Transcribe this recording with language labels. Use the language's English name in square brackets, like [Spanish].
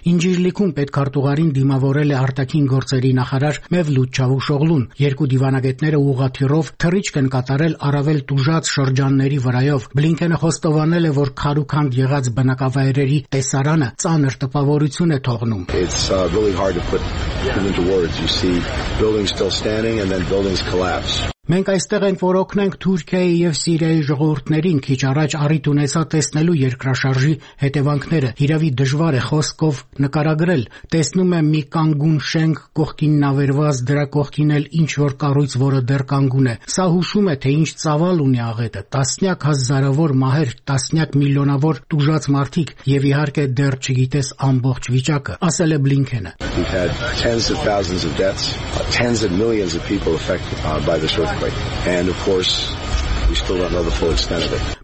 [Armenian] Ինջիրլիքում պետքարտուղարին դիմավորել է արտաքին գործերի նախարար Մևլութ Չավուշօղլուն։ Երկու դիվանագետները ուղղաթիռով թռիչք են կատարել առավել տուժած շրջանների վրայով։ Բլինքենը խոստովանել է, որ քարուքանդ եղած բնակավայրերի տեսարանը ծանր տպավորություն ցուն է թողնում։ [English] It's really hard to put into words. You see buildings still standing and then buildings collapse. [Armenian] Մենք այստեղ ենք, որ օգնենք Թուրքիայի եւ Սիրիայի ժողովուրդներին քիչ առաջ առիթ ունեցա տեսնելու երկրաշարժի հետևանքները։ Հիրավի դժվար է խոսքով նկարագրել։ Տեսնում եմ մի կանգուն շենք կողքին նավերված, դրա կողքին էլ ինչ որ կառույց, որը դեռ կանգուն է։ Սա հուշում է, թե ինչ ծավալ ունի աղետը։ Տասնյակ հազարավոր մահեր, տասնյակ միլիոնավոր տուժած մարդիկ եւ իհարկե դեռ չգիտես ամբողջ վիճակը, ասել է Բլինքենը։ [English] And of course, we still don't know the full extent of it.